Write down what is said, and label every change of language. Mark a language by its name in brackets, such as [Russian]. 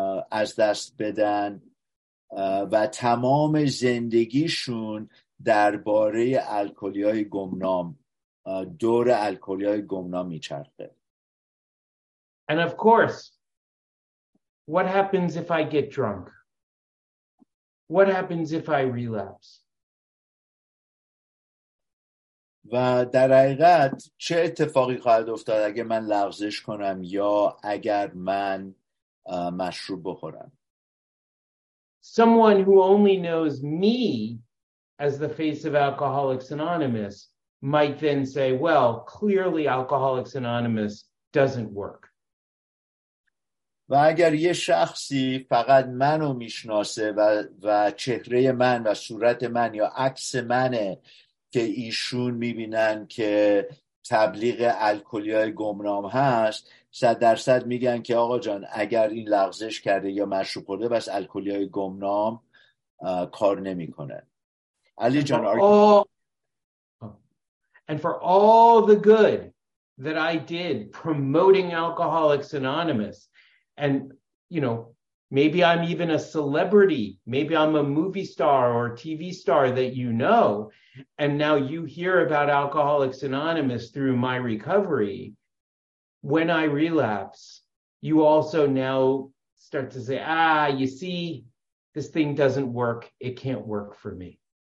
[Persian] از دست بدن و تمام زندگیشون درباره الکلیای گمنام، دور الکلیای گمنام میچرخه. [English] And of course, what happens if I get drunk? What happens if I relapse? [Persian] و در حقیقت چه اتفاقی خواهد افتاد اگه من لغزش کنم یا اگر من مشروب بخورم؟ [English] Someone who only knows me as the face of Alcoholics Anonymous might then say, well, clearly Alcoholics Anonymous doesn't work. [Persian] و اگر یه شخصی فقط منو میشناسه و چهره من و صورت من یا عکس منه که ایشون میبینن که تبلیغ الکلیای گمنام هست، 100% میگن که آقا جان اگر این لغزش کرده یا مشروب خورده بس الکلیای گمنام کار نمیکنه. علی جان [English] And for all the good that I did promoting Alcoholics Anonymous, and you know, maybe I'm even a celebrity, maybe I'm a movie star or TV star that you know, and now you hear about Alcoholics Anonymous through my recovery, when I relapse, you also now start to say, ah, you see, this thing doesn't work, it can't work for me.